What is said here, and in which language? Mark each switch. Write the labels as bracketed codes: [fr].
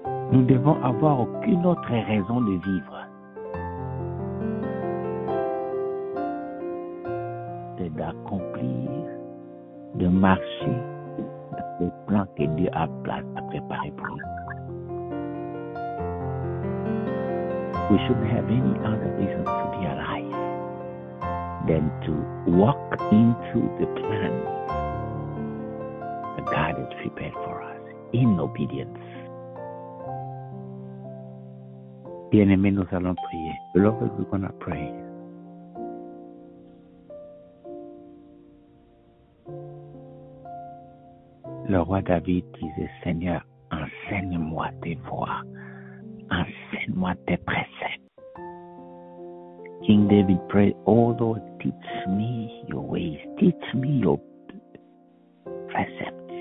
[fr] Nous devons avoir aucune autre raison de vivre. D'accomplir, de marcher dans le plan que Dieu a préparé pour nous. [en] We shouldn't have any other reason to be alive than to walk into the plan that God has prepared for us in obedience. [fr] Bien-aimés, nous allons prier. [en] Lord, we're going to pray. [fr] Le roi David disait, Seigneur, enseigne-moi tes voies, enseigne-moi tes préceptes. [en] King David prayed, oh Lord, teach me your ways, teach me your precepts.